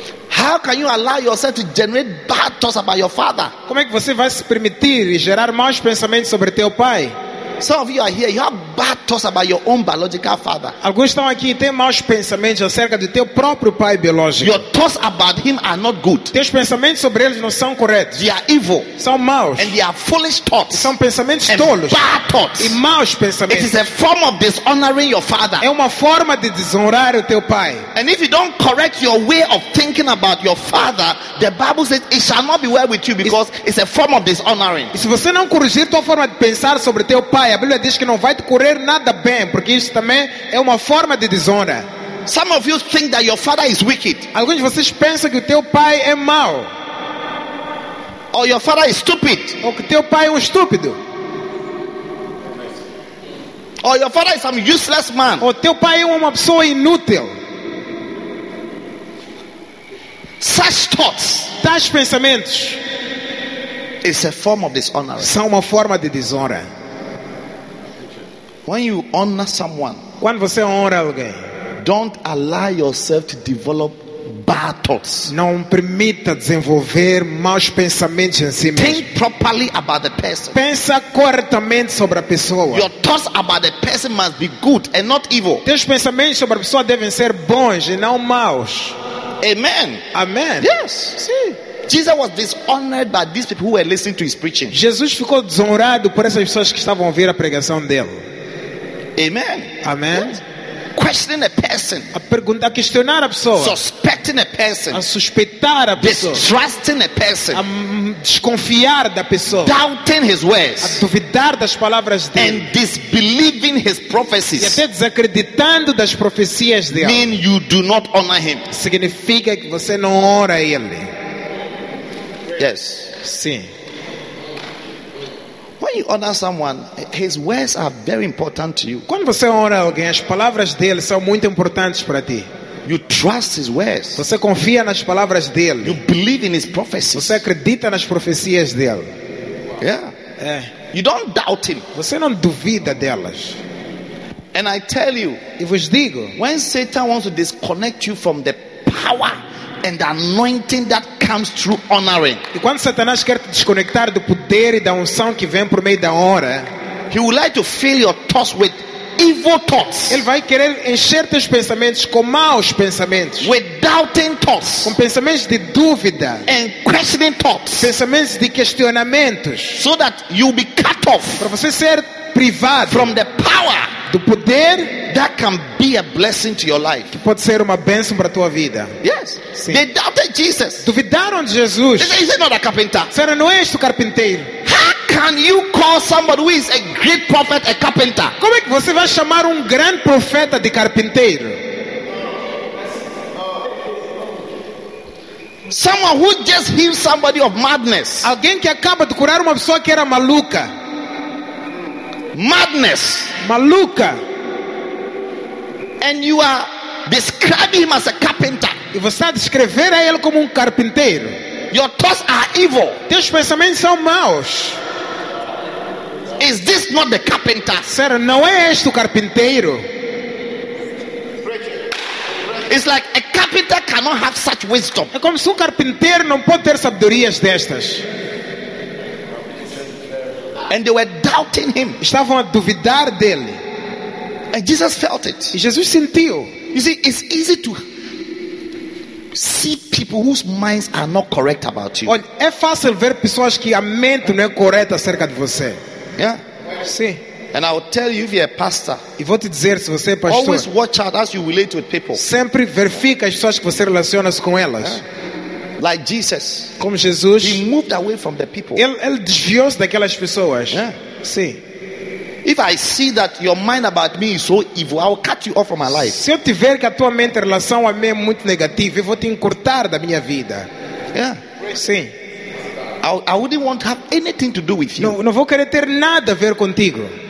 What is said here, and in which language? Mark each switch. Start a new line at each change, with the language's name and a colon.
English: How can you allow yourself to generate bad thoughts about your father?
Portuguese: Como é que você vai se permitir gerar maus pensamentos sobre teu pai?
English: Some of you are here, you have bad thoughts about your own biological father.
Portuguese: Alguns estão aqui e têm maus pensamentos acerca do teu próprio pai biológico.
English: Your thoughts about him are not good.
Portuguese: Teus pensamentos sobre eles não são corretos.
English: They are evil.
Portuguese: São maus.
English: And they are foolish thoughts.
Portuguese: E são pensamentos
English: and
Portuguese: tolos.
English: Bad thoughts.
Portuguese: E maus pensamentos.
English: It is a form of dishonoring your father.
Portuguese: É uma forma de desonrar o teu pai.
English: And if you don't correct your way of thinking about your father, the Bible says it shall not be well with you because it's a form of dishonoring.
Portuguese: E se você não corrigir tua forma de pensar sobre teu pai, a Bíblia diz que não vai te correr nada bem, porque isso também é uma forma de desonra.
English: Some of you think that your father is wicked.
Portuguese: Alguns de vocês pensam que o teu pai é mau.
English: Or your father is stupid.
Portuguese: Ou que teu pai é estúpido.
English: Or your father is some useless man.
Portuguese: Ou teu pai é uma pessoa inútil.
English: Such thoughts.
Portuguese: Tais pensamentos.
English: It's a form of dishonor.
Portuguese: São uma forma de desonra.
English: When you honor someone,
Portuguese: quando você honra alguém,
English: don't allow yourself to develop bad thoughts.
Portuguese: Não permita desenvolver maus pensamentos em si mesmo.
English: Think properly about the person.
Portuguese: Pensa corretamente sobre a pessoa.
English: Your thoughts about the person must be good and not evil.
Portuguese: Teus pensamentos sobre a pessoa devem ser bons e não maus.
English: Amen.
Portuguese: Amen.
English: Yes. See. Jesus was dishonored by these people who were listening to his preaching.
Portuguese: Jesus ficou desonrado por essas pessoas que estavam a ouvir a pregação dele.
English: Amen.
Portuguese: Amen.
English: Yes. Questioning a person.
Portuguese: A pergunta, a questionar a pessoa.
English: Suspecting a person.
Portuguese: A suspeitar a pessoa.
English: Distrusting a person.
Portuguese: A desconfiar da pessoa.
English: Doubting his words.
Portuguese: A duvidar das palavras dele.
English: And disbelieving his prophecies.
Portuguese: E até desacreditando das profecias dele.
English: Mean you do not honor him.
Portuguese: Significa que você não honra ele.
English: Yes.
Portuguese: Sim.
English: When you honor someone, his words are very important to you.
Portuguese: Quando você honra alguém, as palavras dele são muito importantes para ti.
English: You trust his words.
Portuguese: Você confia nas palavras dele.
English: You believe in his prophecies.
Portuguese: Você acredita nas profecias dele.
English: Yeah.
Portuguese: É.
English: You don't doubt him.
Portuguese: Você não duvida delas.
English: And I tell you,
Portuguese: eu vos digo,
English: when Satan wants to disconnect you from the power and the anointing that comes through honoring,
Portuguese: e quando Satanás quer te desconectar do poder e da unção que vem por meio da honra,
English: he will like to fill your thoughts with evil thoughts.
Portuguese: Ele vai querer encher teus pensamentos com maus pensamentos.
English: With doubting thoughts.
Portuguese: Com pensamentos de dúvida.
English: And questioning thoughts.
Portuguese: Pensamentos de questionamentos.
English: So that you be cut off.
Portuguese: Para você ser privado
English: from the power.
Portuguese: Do poder
English: that can be a blessing to your life.
Portuguese: Que pode ser uma bênção para tua vida.
English: Yes.
Portuguese: Sim.
English: They doubted Jesus.
Portuguese: Duvidaram de Jesus.
English: Is he not a carpenter?
Portuguese: Será não és tu carpinteiro?
English: Can you call somebody who is a great prophet a carpenter?
Portuguese: Como é que você vai chamar grande profeta de carpinteiro?
English: Someone who just heals somebody of madness.
Portuguese: Alguém que acaba de curar uma pessoa que era maluca.
English: Madness.
Portuguese: Maluca.
English: And you are describing him as a carpenter.
Portuguese: E você está a descrever a ele como carpinteiro.
English: Your thoughts are evil.
Portuguese: Teus pensamentos são maus.
English: Is this not the carpenter?
Portuguese: Será não é este o carpinteiro?
English: It's like a carpenter cannot have such wisdom.
Portuguese: É como se carpinteiro não pode ter sabedorias destas.
English: And they were doubting him.
Portuguese: Estavam a duvidar dele.
English: And Jesus felt it.
Portuguese: E Jesus sentiu.
English: You see, it's easy to see people whose minds are not correct about you.
Portuguese: Olha, é fácil ver pessoas que a mente não é correta acerca de você.
English: Yeah.
Portuguese: Sim.
English: And I will tell you if you're a pastor.
Portuguese: E vou te dizer, se você é pastor.
English: Always watch out as you relate with people.
Portuguese: Sempre verifica as pessoas que você relaciona com elas.
English: Yeah. Like Jesus.
Portuguese: Como Jesus.
English: He moved away from the people.
Portuguese: Ele desviou-se daquelas pessoas.
English: Yeah.
Portuguese: Sim.
English: If I see that your mind about me is so evil, I will cut you off from my life.
Portuguese: Se eu tiver que a tua mente em relação a mim é muito negativa, eu vou te encurtar da minha vida.
English: Yeah.
Portuguese: Sim.
English: I wouldn't want to have anything to do with you.
Portuguese: Não vou querer ter nada a ver contigo.